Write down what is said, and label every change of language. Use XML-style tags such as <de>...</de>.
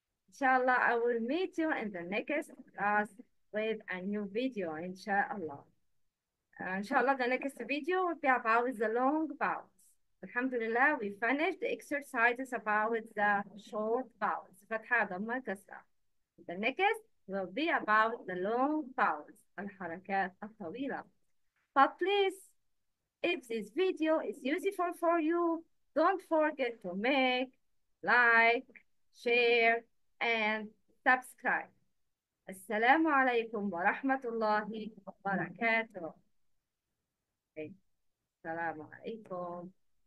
<en>Inshallah, I will meet you in the next class with a new video, inshallah. Inshallah, the next video will be about the long vowels. Alhamdulillah, we finished the exercises about the short vowels. The next will be about the long vowels,</en> <ar>الحركات الطويلة.</ar> <en>But please, if this video is useful for you, don't forget to make, like, share, and subscribe.</en> <ar>السلام عليكم ورحمة الله وبركاته. السلام عليكم.</ar>